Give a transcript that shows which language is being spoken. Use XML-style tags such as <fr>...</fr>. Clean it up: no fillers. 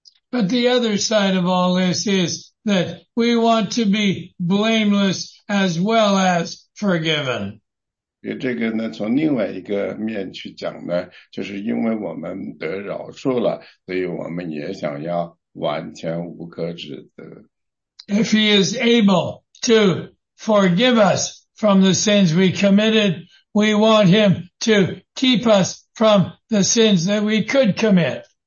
<en>But the other side of all this is that we want to be blameless as well as forgiven.</en> <zh>这个呢,从另外一个面去讲呢,就是因为我们得饶恕了,所以我们也想要完全无可指责。</zh> <en>If he is able to forgive us from the sins we committed, we want him to keep us from the sins that we could commit.</en>